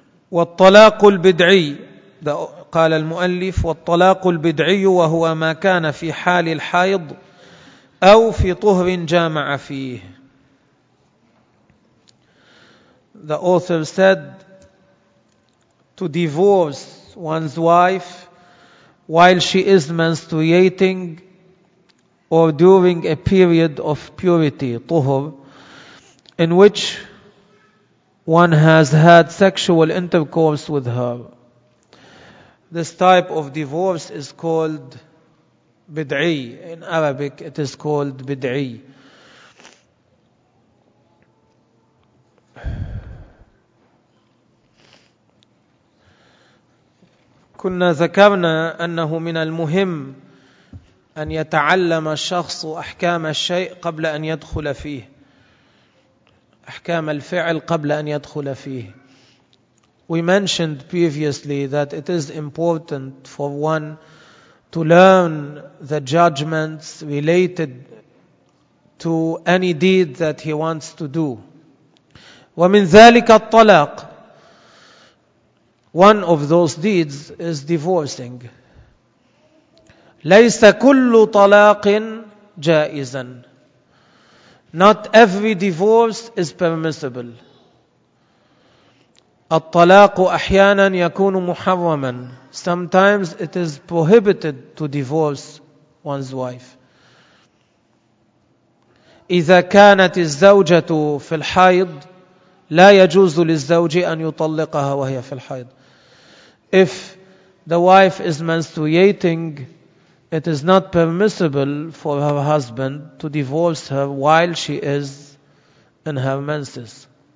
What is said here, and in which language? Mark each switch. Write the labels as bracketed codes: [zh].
[ar] والطلاق البدعي قال المؤلف والطلاق البدعي وهو ما كان في حال الحائض أو في طهر جامع فيه. [en] The author said to divorce one's wife while she is menstruating or during a period of purity, طهر, in which one has had sexual intercourse with her. This type of divorce is called bid'i. In Arabic, it is called bid'i. [ar] كنا ذكرنا أنه من المهم أن يتعلم الشخص أحكام الشيء قبل أن يدخل فيه, أحكام الفعل قبل أن يدخل فيه. [en] We mentioned previously that it is important for one to learn the judgments related to any deed that he wants to do. [ar] ومن ذلك الطلاق. [en] One of those deeds is divorcing. [ar] ليس كل طلاق جائزا. [en] Not every divorce is permissible. [ar] الطلاق أحيانا يكون محرما. [en] Sometimes it is prohibited to divorce one's wife. [ar] إذا كانت الزوجة في الحيض لا يجوز للزوج أن يطلقها وهي في الحيض. [en] If the wife is menstruating, it is not permissible for her husband to divorce her while she is in her menses.